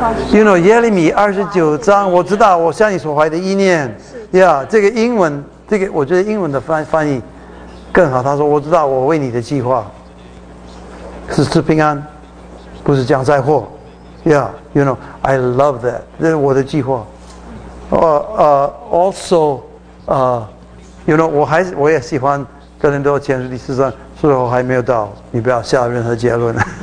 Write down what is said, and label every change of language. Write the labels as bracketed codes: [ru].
[en] You know， [zh] 耶利米29章，我知道，我向你所怀的意念。 Yeah， 这个英文，这个我觉得英文的翻译更好。他说：“我知道，我为你的计划是平安，不是降灾祸。” [en] Yeah， you know， I love that， [zh] 这是我的计划。 [en] Also， you know， [zh] 我也喜欢哥林多前书14章，时候还没有到，你不要下任何结论。